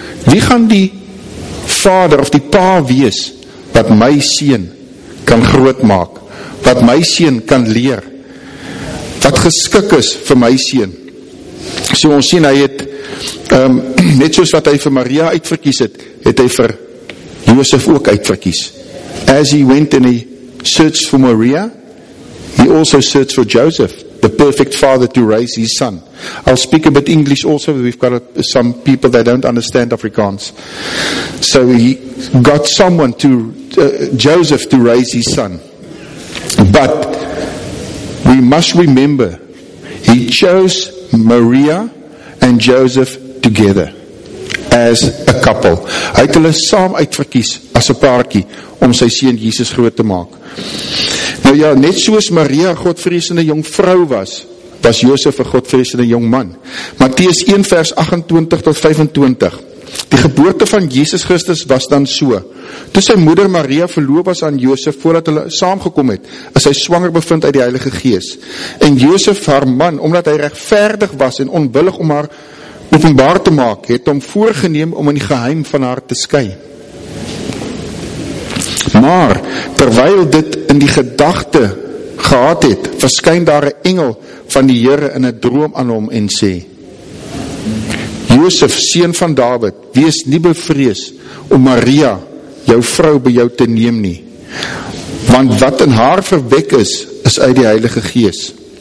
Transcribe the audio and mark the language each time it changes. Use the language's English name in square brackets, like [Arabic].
[Afrikaans] Wie gaan die vader of die pa wees wat my seun kan groot maak, wat my seun kan leer, wat geskik is vir my seun? So ons sien hy het, net soos wat hy vir Maria uitverkies het, het hy vir Josef ook uitverkies. [English] As he went and he searched for Maria, he also searched for Joseph, the perfect father to raise his son. I'll speak a bit English also, but we've got some people that don't understand Afrikaans. So he got someone to, Joseph to raise his son. But we must remember, he chose Maria and Joseph together as a couple. [Afrikaans] Hy het hulle saam uitverkies as 'n paartjie om sy seun Jesus groot te maak. Nou ja, net soos Maria godvreesende jong vrou was, was Josef 'n godvreesende jong man. Matteus 1 vers 28 tot 25. Die geboorte van Jesus Christus was dan so. Toe sy moeder Maria verloof was aan Josef voordat hulle saamgekom het, is sy swanger bevind uit die Heilige Gees. En Josef haar man, omdat hy regverdig was en onwillig om haar openbaar te maak, het hom voorgeneem om in geheim van haar te skei. Maar terwyl dit in die gedagte gehad het, verskyn daar 'n engel van die Here in 'n droom aan hom en sê: Josef, seun van Dawid, wees nie bevrees om Maria, jou vrou, by jou te neem nie, want wat in haar verwek is, is uit die Heilige Gees.